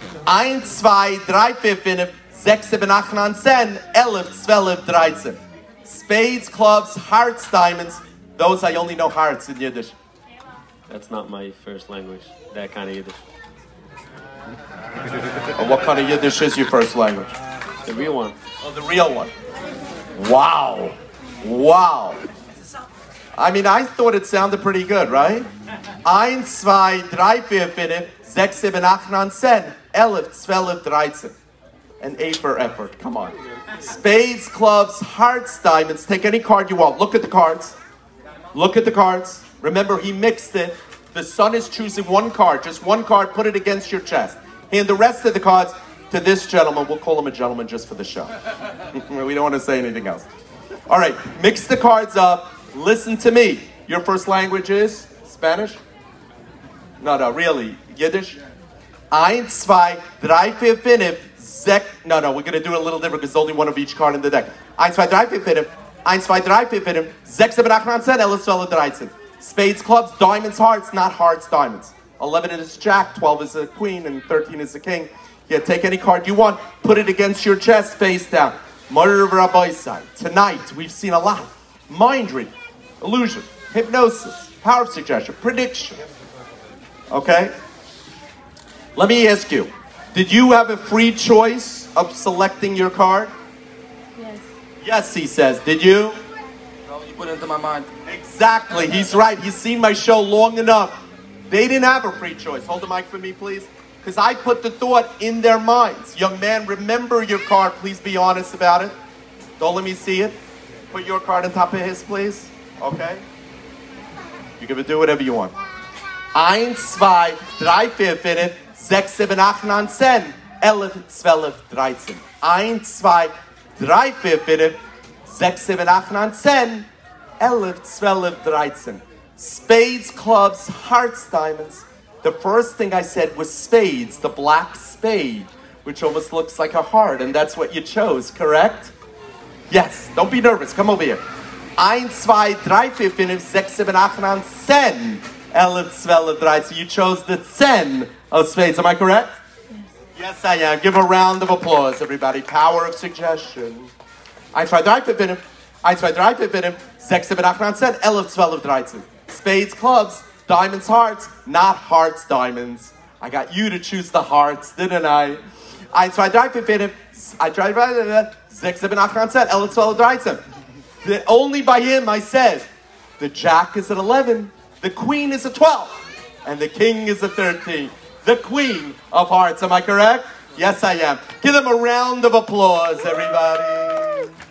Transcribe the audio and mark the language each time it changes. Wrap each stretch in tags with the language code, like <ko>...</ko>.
<de>Ein, zwei, drei, fünf, fünf, sechs, sieben, acht, neun, zehn, elf, zwölf, dreizehn.</de> <en>Spades, clubs, hearts, diamonds. Those I only know hearts in Yiddish. That's not my first language, that kind of Yiddish. And what kind of Yiddish is your first language? The real one. Oh, the real one. Wow. Wow. I mean, I thought it sounded pretty good, right?</en> <de>Ein, zwei, drei, vier, fünf, sechs, sieben, acht, neun, zehn, elf, zwölf, dreizehn.</de> <en>An A for effort. Come on. Spades, clubs, hearts, diamonds. Take any card you want. Look at the cards. Look at the cards. Remember, he mixed it. The son is choosing one card. Just one card. Put it against your chest. Hand the rest of the cards to this gentleman. We'll call him a gentleman just for the show. We don't want to say anything else. All right. Mix the cards up. Listen to me. Your first language is Spanish? No, really. Yiddish?</en> <de>Ein, zwei, drei, vier, fünf, sech.</de> <en>No, we're going to do it a little different because there's only one of each card in the deck.</en> <de>Ein, zwei, drei, vier, fünf. Ein, zwei, drei, vier, fünf. Sechs, sieben, acht, neun, zehn, elf, zwölf, dreizehn.</de> <en>Spades, clubs, diamonds, hearts, not hearts, diamonds. 11 is a jack, 12 is a queen, and 13 is a king. Yeah, take any card you want, put it against your chest, face down. Murder of tonight, we've seen a lot. Mind reading, illusion, hypnosis, power of suggestion, prediction. Okay? Let me ask you, did you have a free choice of selecting your card? Yes. Yes, he says. Did you? No, you put it into my mind. Exactly. He's right. He's seen my show long enough. They didn't have a free choice. Hold the mic for me, please. Because I put the thought in their minds. Young man, remember your card. Please be honest about it. Don't let me see it. Put your card on top of his, please. Okay? You can do whatever you want.</en> <de>Ein, zwei, drei, vier, fünf, sechs, sieben, acht, neun, zehn, elf, zwölf, dreizehn. Ein, zwei, drei, vier, fünf, sechs, sieben, acht, neun, zehn, elf, zwölf, dreizehn.</de> <en>Spades, clubs, hearts, diamonds. The first thing I said was spades, the black spade, which almost looks like a heart, and that's what you chose, correct? Yes, don't be nervous, come over here.</en> <de>Ein, zwei, drei, vier, fünf, sechs, sieben, acht, neun, zehn, elf, zwölf, dreizehn.</de> <en>You chose the zehn of spades, am I correct? Yes. Yes, I am. Give a round of applause, everybody. Power of suggestion.</en> <de>Ein, zwei, drei, vier, fünf, ein, zwei, drei, vier, fünf, sechs, sieben, acht, neun, zehn, elf, zwölf, dreizehn.</de> <en>Spades, clubs, diamonds, hearts, not hearts, diamonds. I got you to choose the hearts, didn't I?</en> <de>Ein, zwei, drei, vier, fünf,</de> <en>I tried,</en> <de>sechs, sieben, acht, neun, zehn, elf, zwölf, dreizehn.</de> <en>That only by him I said, the jack is an 11, the queen is a 12. and the king is the 13th. The queen of hearts, am I correct? Yes, I am. Give them a round of applause, everybody.</en>